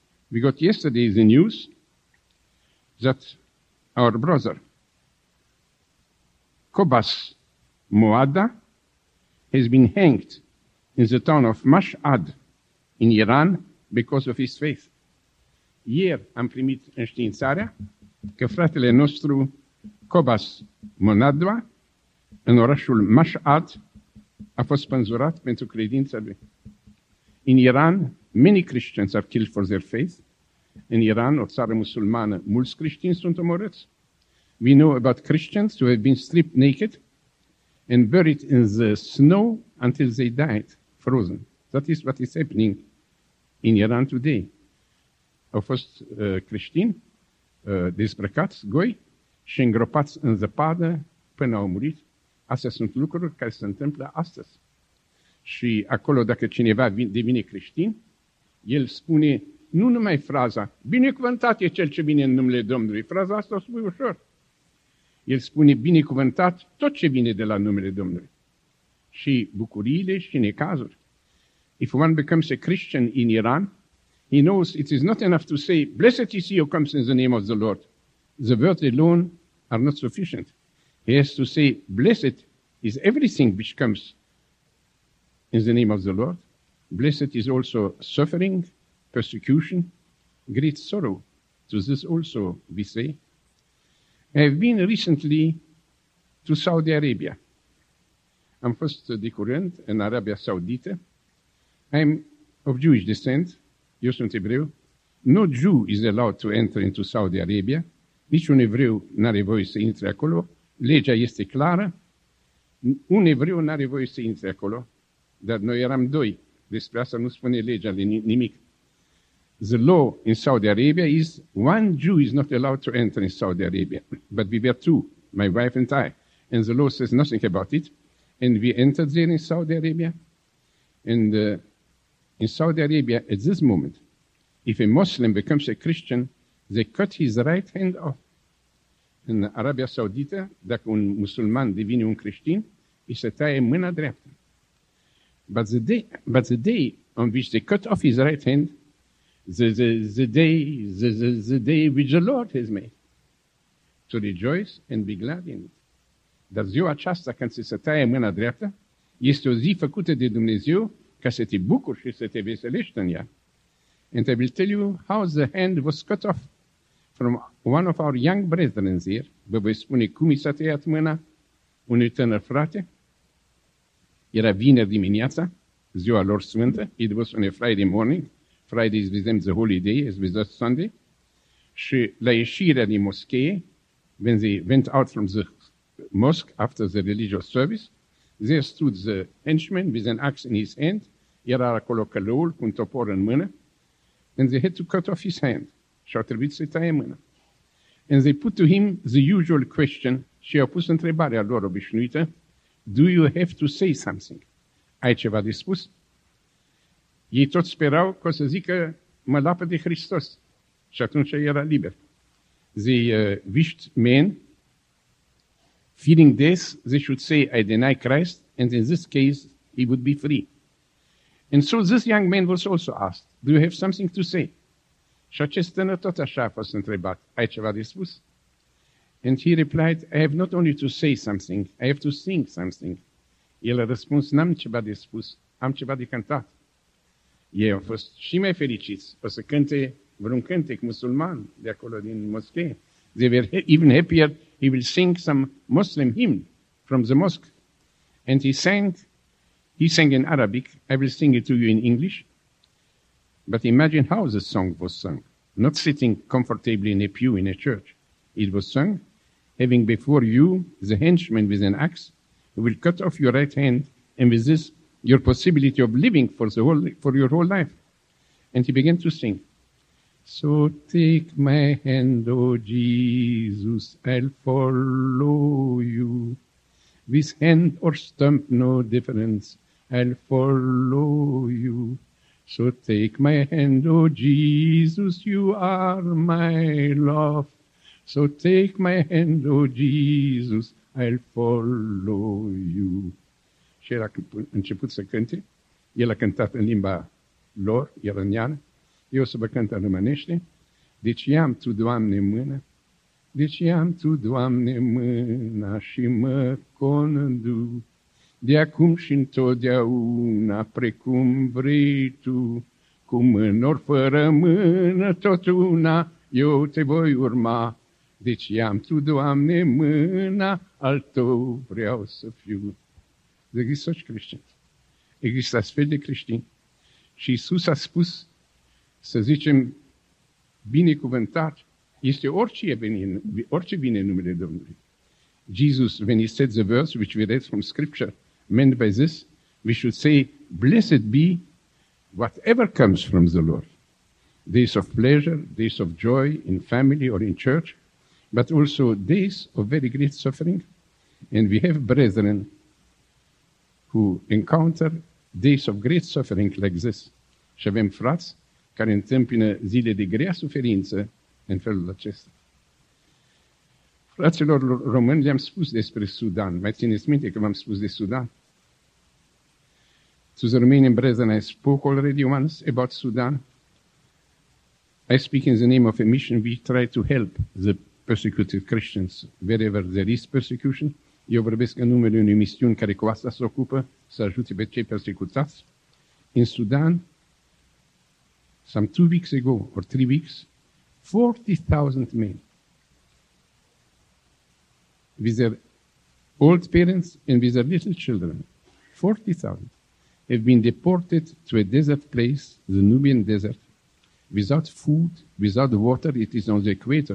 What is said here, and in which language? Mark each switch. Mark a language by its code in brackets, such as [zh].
[en] We got yesterday the news that our brother Kobas Moada has been hanged in the town of Mashhad in Iran because of his faith. [ro] Ieri am primit înștiințarea că fratele nostru Kobas Moada în orașul Mashhad a fost spânzurat pentru credința lui. [en] In Iran, many Christians are killed for their faith. [ro] In Iran, o țară musulmană, mulți creștini sunt omorâți. [en] We know about Christians who have been stripped naked and buried in the snow until they died, frozen. That is what is happening in Iran today. [ro] Au fost creștini dezbrăcați, goi, și îngropați în zăpadă până au murit. Astea sunt lucruri care se întâmplă astăzi. Și acolo, dacă cineva devine creștin, el spune nu numai fraza, binecuvântat e cel ce vine în numele Domnului. Fraza asta o spui ușor. El spune binecuvântat tot ce vine de la numele Domnului. Și bucuriile și necazuri. [en] If one becomes a Christian in Iran, he knows it is not enough to say, blessed is he who comes in the name of the Lord. The words alone are not sufficient. He has to say, blessed is everything which comes in the name of the Lord. Blessed is also suffering, persecution, great sorrow. To this also we say. I have been recently to Saudi Arabia. [ro] Am fost de curând în Arabia Saudită. [en] I am of Jewish descent. [ro] Eu sunt evreu. [en] No Jew is allowed to enter into Saudi Arabia. [ro] Niciun evreu n-are voie să intre acolo. Legea este clară. Un evreu n-are voie să intre acolo. Dar noi eram doi. Despre asta nu spune legea nimic. [en] The law in Saudi Arabia is one Jew is not allowed to enter in Saudi Arabia. But we were two, my wife and I. And the law says nothing about it. And we entered there in Saudi Arabia. And In Saudi Arabia, at this moment, if a Muslim becomes a Christian, they cut his right hand off. [ro] In Arabia Saudita, dacă un musulman devine un creștin, îi se taie mâna dreaptă. [en] But the day on which they cut off his right hand, the day which the Lord has made, to rejoice and be glad in it. [ro] Dar ziua aceasta, când se taie mâna dreaptă, este o zi făcută de Dumnezeu ca să te bucuri și să te veselești în ea. [en] And I will tell you how the hand was cut off from one of our young brethren here. [ro] Vă voi spune cum i s-a tăiat mâna unui tânăr frate. Era vineri dimineața, ziua lor sfântă. [en] It was on a Friday morning. Friday is with them the holy day, as with us Sunday. [ro] Și la ieșirea din moschee, [en] when they went out from the mosque after the religious service, there stood the henchman with an axe in his hand. [ro] Era acolo călăul cu un topor în mână. [en] And they had to cut off his hand. [ro] Și-au trebuit să-i taie mâna. [en] And they put to him the usual question. [ro] Și au pus întrebarea lor obișnuită. [en] Do you have to say something? [ro] Ai ceva de spus? Ei tot sperau că o să zică, mă lapă de Hristos. Și atunci era liber. [en] The wished men, fearing this, they should say, I deny Christ. And in this case, he would be free. And so this young man was also asked, do you have something to say? Și acest tânăr tot așa a fost întrebat, ai ceva de spus? And he replied, I have not only to say something, I have to sing something. [ro] El a răspuns, n-am ceva de spus, am ceva de cântat. Ei au fost și mai fericiți, o să cânte vreun cântec musulman de acolo din moschee. [en] They were even happier, he will sing some Muslim hymn from the mosque. And he sang in Arabic, I will sing it to you in English. But imagine how the song was sung, not sitting comfortably in a pew in a church. It was sung, having before you the henchman with an axe who will cut off your right hand and with this your possibility of living for your whole life. And he began to sing. So take my hand, O Jesus, I'll follow you. With hand or stump, no difference, I'll follow you. So take my hand, O Jesus, you are my love. So take my hand, O Jesus, I'll follow you. [ro] Și el a început să cânte. El a cântat în limba lor, iraniană. Eu o să vă cânt în rumânește. Deci ia-mi tu, Doamne, mâna. Deci ia-mi tu, Doamne, mâna și mă condu. De acum și întotdeauna, precum vrei tu, cu mână ori fără mână, tot una, eu te voi urma. Deci ia-mi tu, Doamne, mâna, al tău vreau să fiu. Există și creștini. Există astfel de creștini. Și Iisus a spus, să zicem, binecuvântat, este orice vine în numele Domnului. [en] Jesus, when he said the verse which we read from Scripture, meant by this, we should say, blessed be whatever comes from the Lord. Days of pleasure, days of joy in family or in church, but also days of very great suffering. And we have brethren who encounter days of great suffering like this. [ro] Și avem frați care întâmpină zile de grea suferință în felul acesta. Fraților români, le-am spus despre Sudan. Mai țineți minte că v-am spus de Sudan? [en] To the Romanian brethren, I spoke already once about Sudan. I speak in the name of a mission. We try to help the persecuted Christians wherever there is persecution. [ro] Eu vorbesc în numele unei misiuni care cu asta se ocupă, să ajute pe cei persecutați. [en] In Sudan, some 2 weeks ago or 3 weeks, 40,000 men with their old parents and with their little children, 40,000, have been deported to a desert place, the Nubian desert, without food, without water. It is on the equator.